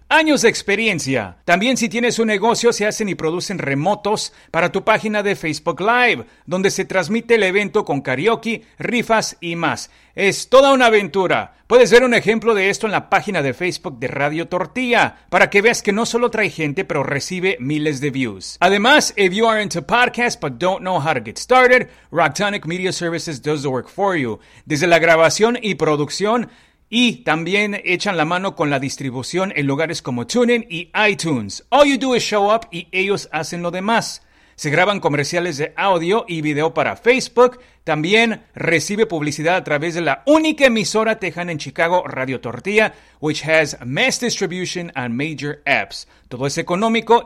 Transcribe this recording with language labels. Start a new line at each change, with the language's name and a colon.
Spanish: Años de experiencia. También si tienes un negocio, se hacen y producen remotos para tu página de Facebook Live, donde se transmite el evento con karaoke, rifas y más. Es toda una aventura. Puedes ver un ejemplo de esto en la página de Facebook de Radio Tortilla, para que veas que no solo trae gente, pero recibe miles de views.
English: Además, if you are into podcasts but don't know how to get started, Ractonic Media Services does the work for you.
Spanish: Desde la grabación y producción, y también echan la mano con la distribución en lugares como TuneIn y iTunes.
English: All you do is show up
Spanish: y ellos hacen lo demás. Se graban comerciales de audio y video para Facebook. También recibe publicidad a través de la única emisora tejana en Chicago, Radio Tortilla,
English: which has mass distribution and major apps.
Spanish: Todo es económico.